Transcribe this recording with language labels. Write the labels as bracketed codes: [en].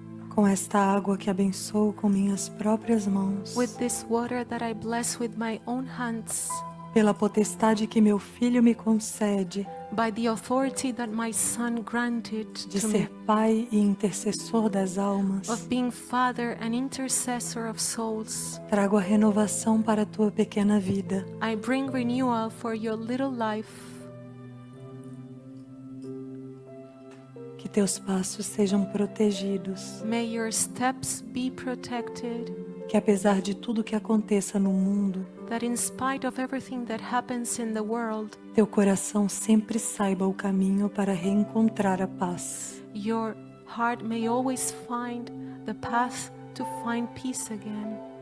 [pt] Com esta água que abençoo com minhas próprias mãos. [en] With this water that I bless with my own hands. [pt] Pela potestade que meu filho me concede. [en] By the authority that my son granted [pt] de ser pai e intercessor das almas. [en] Of being father and intercessor of souls. [pt] Trago a renovação para a tua pequena vida. [en] I bring renewal for your little life. [pt] Que teus passos sejam protegidos. [en] May your steps be protected. [pt] Que apesar de tudo que aconteça no mundo, [en] that in spite of everything that happens in the world, [pt] teu coração sempre saiba o caminho para reencontrar a paz. [en] Your heart may always find the path to find peace again.